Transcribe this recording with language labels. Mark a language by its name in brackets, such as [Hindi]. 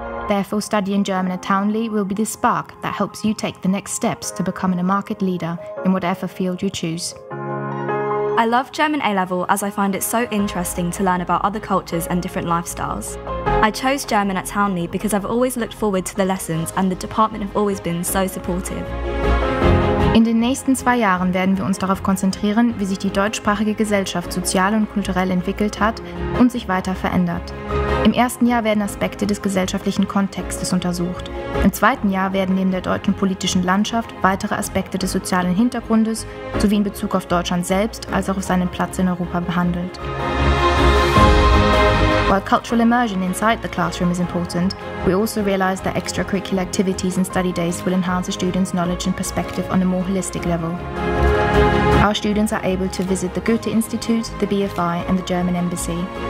[English] Therefore, studying German at Townley will be the spark that helps you take the next steps to becoming a market leader in whatever field you choose. I love German A-Level as I find it so interesting to learn about other cultures and different lifestyles. I chose German at Townley because I've always looked forward to the lessons and the department have always been so supportive. [German] In den nächsten zwei Jahren werden wir uns darauf konzentrieren, wie sich die deutschsprachige Gesellschaft sozial und kulturell entwickelt hat und sich weiter verändert. Im ersten Jahr werden Aspekte des gesellschaftlichen Kontextes untersucht. Im zweiten Jahr werden neben der deutschen politischen Landschaft weitere Aspekte des sozialen Hintergrundes sowie in Bezug auf Deutschland selbst als auch auf seinen Platz in Europa behandelt. [English] While cultural immersion inside the classroom is important, we also realize that extracurricular activities and study days will enhance a student's knowledge and perspective on a more holistic level. Our students are able to visit the Goethe-Institut, the BFI and the German Embassy.